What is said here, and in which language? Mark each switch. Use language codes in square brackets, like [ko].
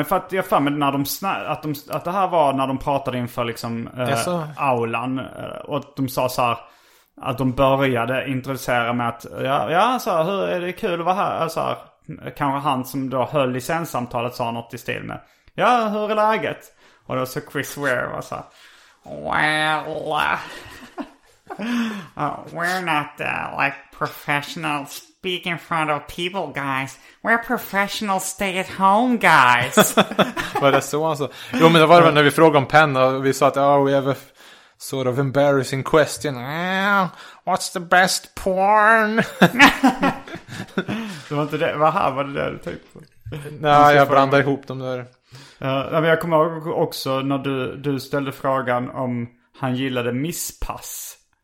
[sv] Jag för mig att det här var när de pratade inför liksom aulan, och de sa så här, att de började introducera med att ja så här, hur är det, kul att vara här, så här, kanske han som då höll licenssamtalet sa något i stil med ja, hur är läget? Och då så Chris Ware var så här, [en] well we're not like professional speak in front of people guys, we're professional stay at home guys. [sv] Var det så alltså? Jo, men det var väl när vi frågade om penna och vi sa att [en] oh, we have a sort of embarrassing question. What's the best porn? [sv] Det var inte det. Vad här var det där du tänkte på? Nej, jag blandade ihop dem där. Men jag kommer ihåg också när du ställde frågan om han gillade misspass.